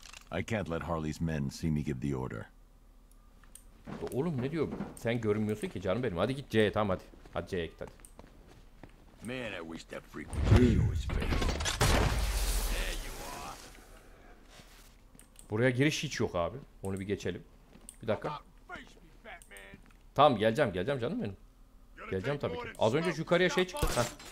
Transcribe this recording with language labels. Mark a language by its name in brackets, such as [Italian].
[English] I can't let Harley's men see me give the order. [Turkish] Oğlum ne diyor? Sen görünmüyorsun ki canım benim. Hadi git C'ye tamam hadi. Hadi C'ye git hadi. [English] Man, I wish that freak would show his face. There you are. [Turkish] Buraya giriş hiç yok abi. Onu bir geçelim. Bir dakika. Tamam geleceğim geleceğim canım benim. Geleceğim tabii ki. Az önce yukarıya şey çıktı. Heh.